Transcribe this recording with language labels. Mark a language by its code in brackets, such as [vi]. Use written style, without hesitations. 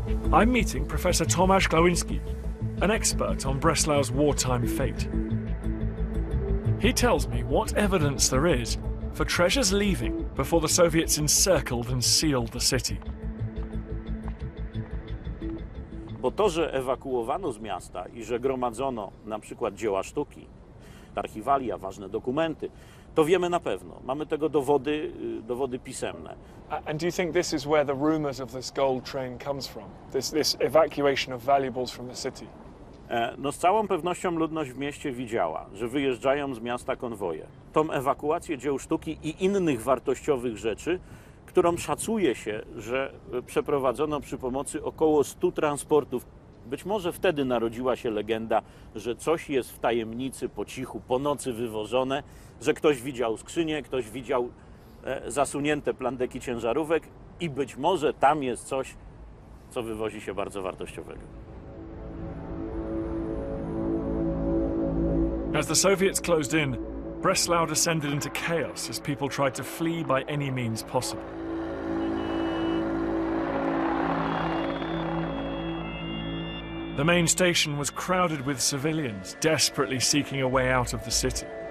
[en] I'm meeting Professor Tomasz Glawiński, an expert on Breslau's wartime fate. He tells me what evidence there is for treasures leaving before the Soviets encircled and sealed the city. [pl] Bo to, że ewakuowano z miasta i że gromadzono na przykład dzieła sztuki, archiwalia, ważne dokumenty, to wiemy na pewno. Mamy tego dowody, dowody pisemne. [en] And do you think this is where the rumors of this gold train comes from? This evacuation of valuables from the city? [pl] No z całą pewnością ludność w mieście widziała, że wyjeżdżają z miasta konwoje. Tą ewakuację dzieł sztuki i innych wartościowych rzeczy, którą szacuje się, że przeprowadzono przy pomocy około 100 transportów. Być może wtedy narodziła się legenda, że coś jest w tajemnicy, po cichu, po nocy wywożone, że ktoś widział skrzynię, ktoś widział zasunięte plandeki ciężarówek i być może tam jest coś, co wywozi się bardzo wartościowego. [en] As the Soviets closed in, Breslau descended into chaos as people tried to flee by any means possible. The main station was crowded with civilians desperately seeking a way out of the city.